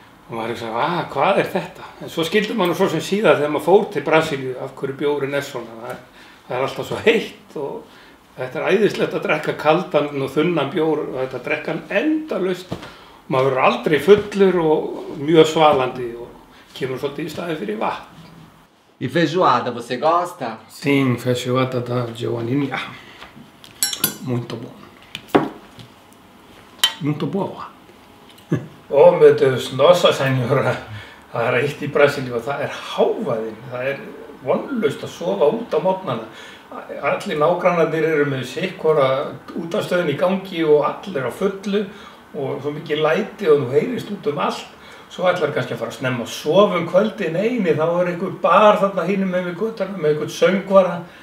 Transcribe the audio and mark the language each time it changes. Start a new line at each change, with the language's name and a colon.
Icelandic: Og maður er ekki að segja, hvað er þetta? En svo skildur maður svo sem síðar þegar maður fór til Brasilíu af hverju bjórinn er svona. Það er alltaf svo heitt og þetta er æðislegt að drekka kaldan og þunnan bjór og þetta drekka hann endalaust. Og maður verður aldrei fullur og mjög svalandi og kemur svolítið í staði fyrir vatn.
Portuguese: Í feijoada, você gosta? Sim, feijoada da Joaninha. Muito bom. Muito boa. Ó, meu Deus, nossa senhora.
Icelandic: Það eitt í Brasilíu og það hávaðinn. Það vonlaust að sofa út á morgnana. Allir nágrannarnir eru með sikkora útastöðin í gangi og allir á fullu og svo mikið læti og þú heyrist út allt. Svo ætlar kannski að fara að snemma og sofa kvöldi. Nei, þá er einhver bar þarna hinum með guttarnum, með einhvern söngvara.